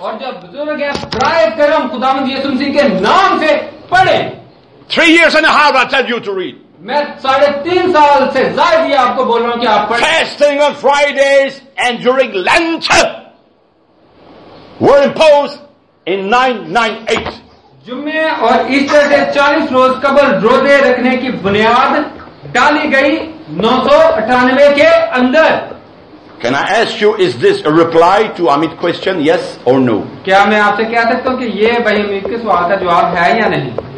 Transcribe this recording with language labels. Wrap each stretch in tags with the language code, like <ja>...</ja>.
<hi>और जब बुजुर्ग हैं, प्राय करम खुदावंद यीशु मसीह के नाम से पढ़ें.</hi> <en>3 years and a half I tell you to read.</en> <hi>मैं 3.5 साल से ज्यादा ही आपको बोल रहा हूं कि आप पढ़ें.</hi> <en>Fasting on Fridays and during Lent were imposed in 998.</en> <hi>जुम्मे और ईस्टर से 40 रोज कबल रोजे रखने की बुनियाद डाली गई 998 के अंदर.</hi> <en>Can I ask you, is this a reply to Amit's question, yes or no?</en> <hi>क्या मैं आपसे कह सकता हूँ कि ये भाई अमित के सवाल का जवाब है या नहीं?</hi>